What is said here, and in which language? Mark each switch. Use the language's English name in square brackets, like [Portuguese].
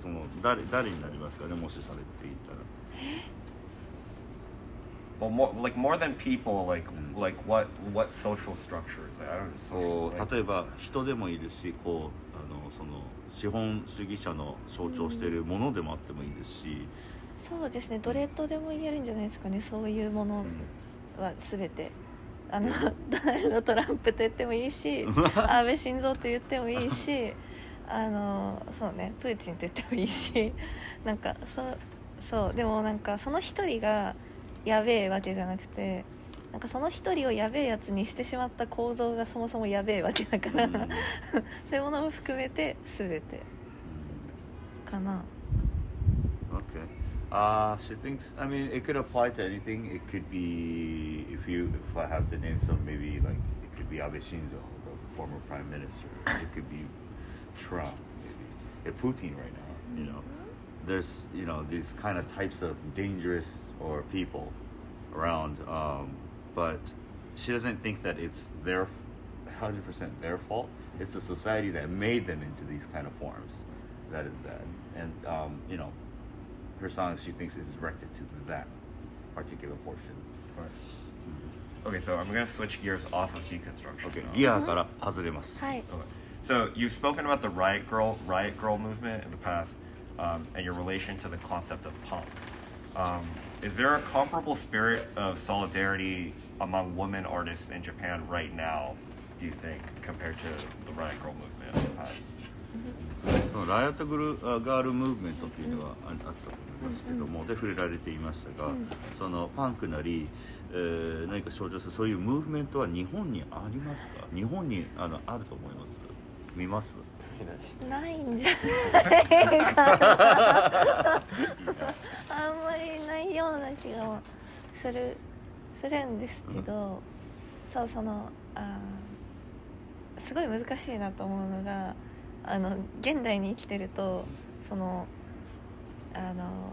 [Japanese] その誰になりますかね、もしされていたら。 [English] Well, more than people, like what social structures? I don't know. [Japanese] So, 例えば人でもいるし、こうその資本主義者の象徴しているものでもあってもいいですし、そうですね、どれとでも言えるんじゃないですかね、そういうものは全て、トランプと言ってもいいし安倍晋三と言ってもいいしそうね、プーチンと言ってもいいし、なんかそうでもなんかその一人がやべえわけじゃなくて、なんかその一人をやべえやつにしてしまった構造がそもそもやべえわけだから、そういうものも含めて全て。かな。 [English] Okay. She thinks, I mean, it could apply to anything. It could be, if I have the name, so maybe like, it could be Abe Shinzo, the former prime minister. It could be Trump, maybe. Putin right now, you know. There's, you know, these kind of types of dangerous or people around, but she doesn't think that it's their 100% their fault. It's the society that made them into these kind of forms that is bad. And, you know, her songs, she thinks, is directed to that particular portion. Right. Okay, so I'm going to switch gears off of deconstruction. [Japanese] Okay, ギアから外れます。はい。 [English] So you've spoken about the Riot Girl movement in the past, and your relation to the concept of punk. Is there a comparable spirit of solidarity among women artists in Japan right now, do you think, compared to the Riot Girl movement in the past? [Japanese] そのライアットグルーガールムーブメントっていうのはあったと思いますけども、うんうん、で触れられていましたが、うん、そのパンクなり、何か象徴するそういうムーブメントは日本にありますか？日本に あると思います？見ます？ないんじゃないかなあんまりないような気がするんですけど、うん、そうそのあすごい難しいなと思うのが、あの現代に生きてると、そのあのなんだ